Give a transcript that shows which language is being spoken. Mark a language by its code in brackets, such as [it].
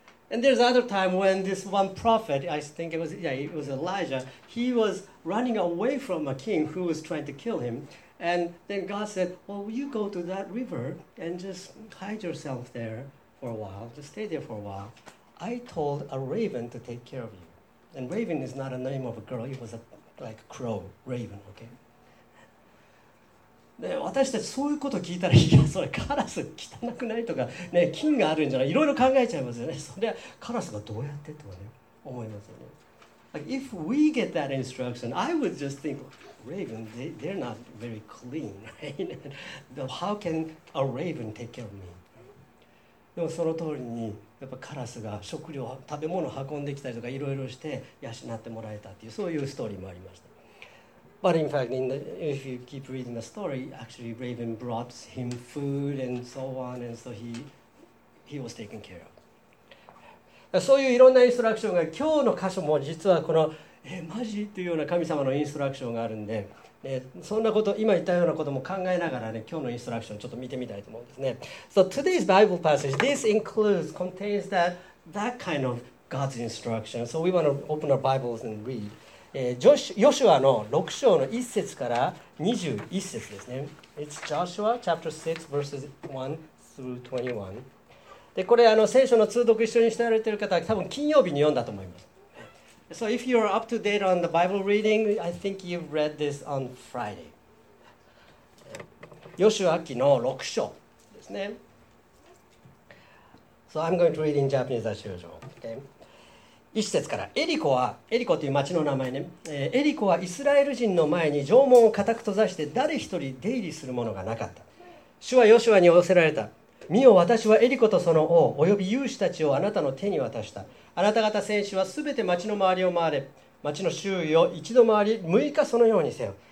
[en] And there's another time when this one prophet, I think it was, yeah, it was Elijah, he was running away from a king who was trying to kill him. And then God said, well, you go to that river and just hide yourself there for a while, just stay there for a while. I told a raven to take care of you. And raven is not a name of a girl, it was a, like a crow, raven, okay? [ja] ね、私たちそういうこと聞いたら、いや、それカラス汚くないとか、ね、菌があるんじゃない、いろいろ考えちゃいますよね。それはカラスがどうやってとかね、思いますよね。 [en] Like, if we get that instruction, I would just think, raven, they're not very clean, right? How can a raven take care of me? [ja] でもその通りに、やっぱカラスが食料、食べ物運んできたりとか、いろいろして養ってもらえたっていう、そういうストーリーもありました。 [en] But in fact, if you keep reading the story, actually Raven brought him food and so on, and so he was taken care of. [ja] そういういろんなインストラクションが、今日の箇所も実はこの、え、マジ? というような神様のインストラクションがあるんで、ね、そんなこと、今言ったようなことも考えながらね、今日のインストラクションちょっと見てみたいと思うんですね。 [en] So today's Bible passage, this includes, contains that kind of God's instruction. So we want to open our Bibles and read. [ja] ヨシュアの6章の1節から21節ですね。 [en] It's Joshua chapter 6 verses 1 through 21. [ja] で、これ聖書の通読一緒にしてられている方は多分金曜日に読んだと思います。 [en] So if you're up to date on the Bible reading, I think you've read this on Friday. [ja] ヨシュア記の6章ですね。 [en] So I'm going to read in Japanese as usual. Okay. [ja] 1節から、エリコは、エリコという町の名前ね、エリコはイスラエル人の前に城門を固く閉ざして誰一人出入りするものがなかった。主はヨシュアに仰せられた。見よ、私はエリコとその王および勇士たちをあなたの手に渡した。あなた方戦士はすべて町の周りを回れ、町の周囲を一度回り6日そのようにせよ。